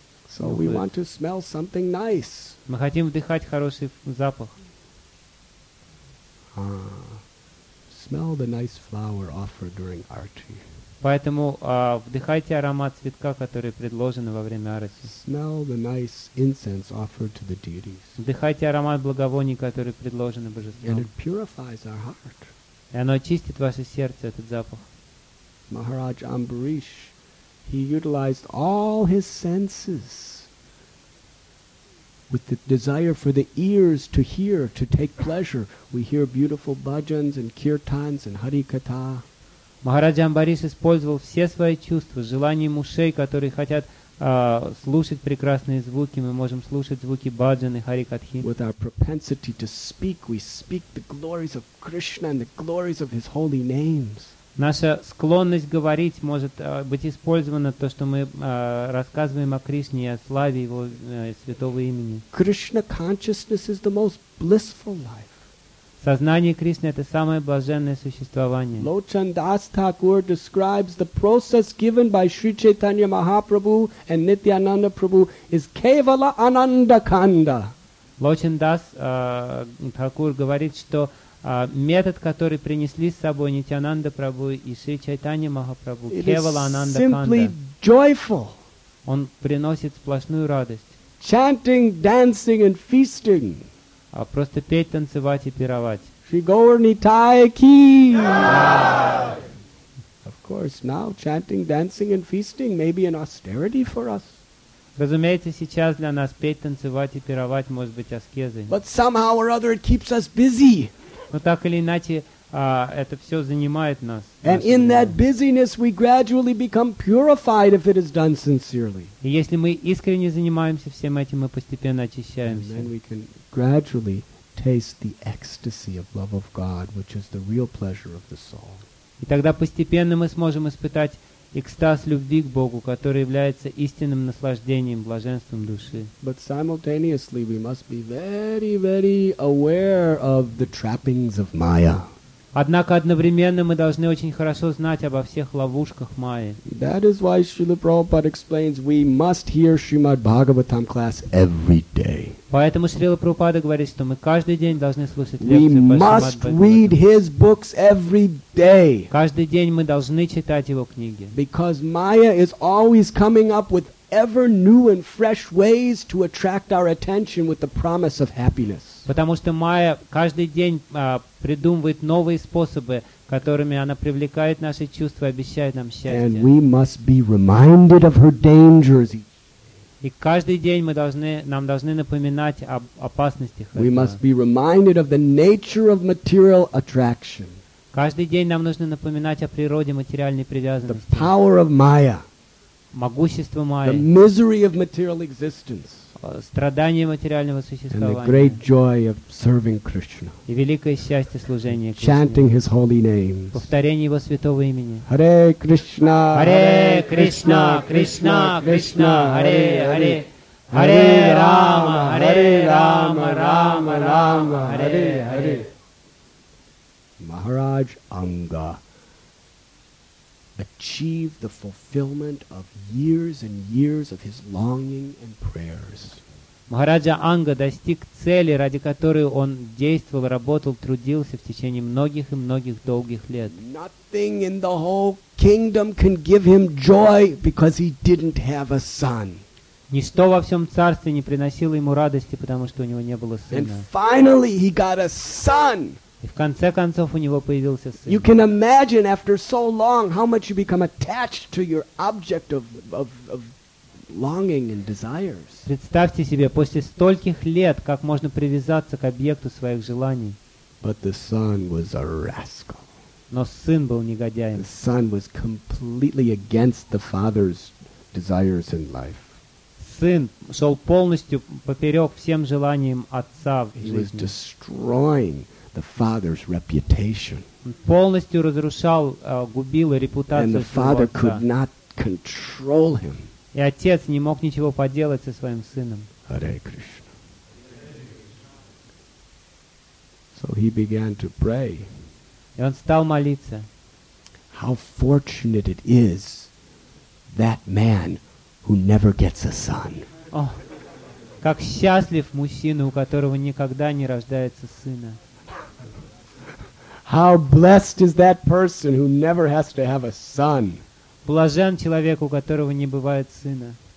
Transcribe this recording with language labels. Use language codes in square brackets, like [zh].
[en] So we want to smell something nice. [ru] Мы хотим вдыхать хороший запах. [en] Smell the nice flower offered during arati. [ru] Поэтому вдыхайте аромат цветка, который предложен во время арати. [en] Smell the nice incense offered to the deities. [ru] Вдыхайте аромат благовоний, который предложен божеством. [en] And it purifies our heart. [ru] И оно очистит ваше сердце, этот запах. [en] Maharaj Ambarish, he utilized all his senses with the desire for the ears to hear, to take pleasure. We hear beautiful bhajans and kirtans and harikatha. [ru] Махараджа Амбариш использовал все свои чувства, желание ушей, которые хотят слушать прекрасные звуки. Мы можем слушать звуки баджан и харикатхи. [en] With our propensity to speak, we speak the glories of Krishna and the glories of His holy names. [ru] Наша склонность говорить может быть использована то, что мы рассказываем о Кришне и о славе Его святого имени. [en] Krishna consciousness is the most blissful life. [ru] Сознание Кришны — это самое блаженное существование. [en] Lochan Das Thakur describes the process given by Sri Chaitanya Mahaprabhu and Nityananda Prabhu is Kevala Ananda Kanda. [ru] Lochan Das Thakur говорит, что метод, который принесли с собой Нитьянанда Прабху и Шри Чайтанья Махапрабху, Кевала Ананда Канда. [en] Simply joyful. [ru] Он приносит сплошную радость. [en] Chanting, dancing and feasting. [ru] А просто петь, танцевать и пировать. [en] Shri Gaurnitai ki. Of course, now chanting, dancing and feasting may be an austerity for us. [ru] Разумеется, сейчас для нас петь, танцевать и пировать может быть аскезой. [en] But somehow or other it keeps us busy. [ru] Но так или иначе, это все занимает нас. [en] And in that busyness we gradually become purified if it is done sincerely. [ru] И если мы искренне занимаемся всем этим, мы постепенно очищаемся. [en] And then we can gradually taste the ecstasy of love of God, which is the real pleasure of the soul. [ru] И тогда постепенно мы сможем испытать экстаз любви к Богу, который является истинным наслаждением, блаженством души. [en] But simultaneously we must be very, very aware of the trappings of Maya. [ru] Однако одновременно мы должны очень хорошо знать обо всех ловушках Майи. [en] That is why Srila Prabhupada explains we must hear Srimad Bhagavatam class every day. [ru] Поэтому Srila Prabhupada говорит, что мы каждый день должны слушать лекции по [en] Srimad Bhagavatam. We must read his books every day. [ru] Каждый день мы должны читать его книги. [en] Because Maya is always coming up with ever new and fresh ways to attract our attention with the promise of happiness. [ru] Потому что Майя каждый день придумывает новые способы, которыми она привлекает наши чувства и обещает нам счастье. [en] And we must be reminded of her dangers. [ru] И каждый день мы должны, нам должны напоминать об опасностях. [en] We must be reminded of the nature of material attraction. [ru] Каждый день нам нужно напоминать о природе материальной привязанности. [en] The power of Maya. [ru] Могущество Майи. [en] The misery of material existence. [ru] Страдания материального существования. [en] And the great joy of serving Krishna. [ru] И великое счастье служения Кришне. [en] Chanting His holy names. [ru] Повторение Его святого имени. [sa] Hare Krishna. Hare Krishna. Krishna Krishna. Hare Hare. Hare Rama. Hare Rama. Rama Rama. Hare Hare. [en] Maharaj Anga achieve the fulfillment of years and years of his longing and prayers. [ru] Maharaja Anga достиг цели, ради которой он действовал, работал, трудился в течение многих и многих долгих лет. [en] Nothing in the whole kingdom can give him joy because he didn't have a son. [ru] Ничто во всем царстве не приносило ему радости, потому что у него не было сына. [en] And finally he got a son. [ru] И в конце концов у него появился сын. [en] You can imagine after so long how much you become attached to your object of longing and desires. [ru] Представьте себе, после стольких лет, как можно привязаться к объекту своих желаний. [en] But the son was a rascal. [ru] Но сын был негодяем. [en] The son was completely against the father's desires in life. [ru] Сын шел полностью поперек всем желаниям отца в жизни. [en] He was destroying the father's reputation. [ru] Он полностью разрушал, губил репутацию своего отца. [en] And the father could not control him. [ru] И отец не мог ничего поделать со своим сыном. [sa] Hare Krishna. [en] So he began to pray. [ru] И он стал молиться. [en] How fortunate it is that man who never gets a son. [ru] Oh, как счастлив мужчина, у которого никогда не рождается сына. [en] How blessed is that person who never has to have a son. [ru] Блажен человек, у которого не бывает сына.